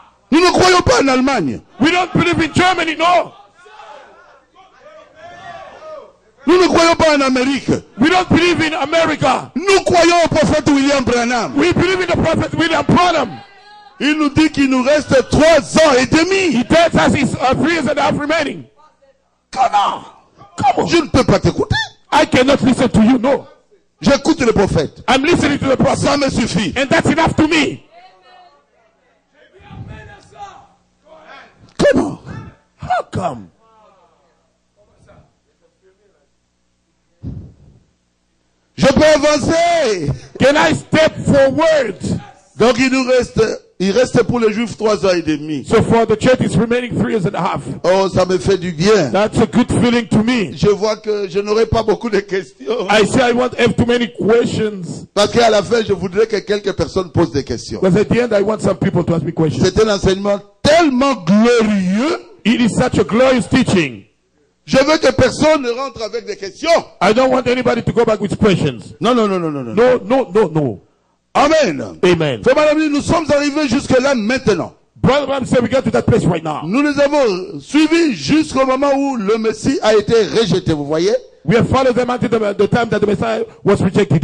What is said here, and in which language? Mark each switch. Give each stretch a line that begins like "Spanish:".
French: Nous ne croyons pas en Allemagne.
English: We don't believe in Germany, no.
French: Nous ne croyons pas en Amérique.
English: We don't believe in America.
French: Nous croyons au prophète William Branham.
English: We believe in the prophet William Branham.
French: Il nous dit qu'il nous reste 3 ans et demi.
English: He tells us it's 3 and a half remaining. Come on. Come on.
French: Je ne peux pas t'écouter.
English: I cannot listen to you, no.
French: J'écoute le prophète.
English: I'm listening to the prophet.
French: Ça me suffit.
English: And that's enough to me. Come on. How come?
French: Je peux avancer.
English: Can I step forward?
French: Donc il nous reste Il restait pour les Juifs 3 ans et demi.
English: So for the church, it's remaining 3 and a half.
French: Oh, ça me fait du bien.
English: That's a good feeling to me.
French: Je vois que je n'aurai pas beaucoup de questions.
English: I see I won't have too many questions.
French: Parce qu'à la fin, je voudrais que quelques personnes posent des questions.
English: Because at the end, I want some people to ask me questions.
French: C'est un enseignement tellement glorieux.
English: It is such a glorious teaching.
French: Je veux que personne ne rentre avec des questions.
English: I don't want anybody to go back with questions.
French: Non, non, non, non, non, non.
English: No, no, no, no. Amen. Amen.
French: Frère Branham, nous sommes arrivés jusque là maintenant.
English: Brother Branham said we got to that place right now.
French: Nous les avons suivis jusqu'au moment où le Messie a été rejeté. Vous voyez?
English: We have followed them until the time that the Messiah was rejected.